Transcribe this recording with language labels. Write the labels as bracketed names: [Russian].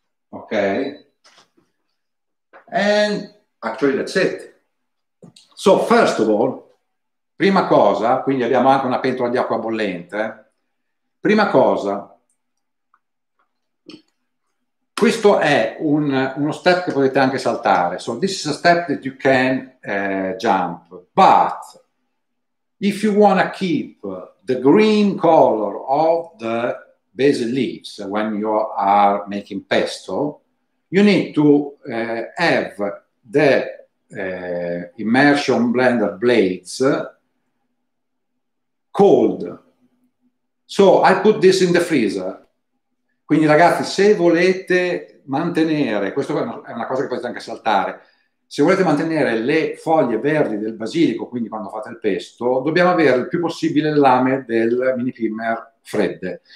[English] Okay, and actually that's it. So first of all, [Italian] prima cosa, quindi abbiamo anche una pentola di acqua bollente. Prima cosa, questo è uno step che potete anche saltare. [English] So this is a step that you can jump. But if you want to keep the green color of the basil leaves when you are making pesto, you need to have the immersion blender blades cold. So I put this in the freezer. [Italian] Quindi ragazzi, se volete mantenere, questo è una cosa che potete anche saltare, se volete mantenere le foglie verdi del basilico, quindi quando fate il pesto, dobbiamo avere il più possibile il lame del mini pimer fredde.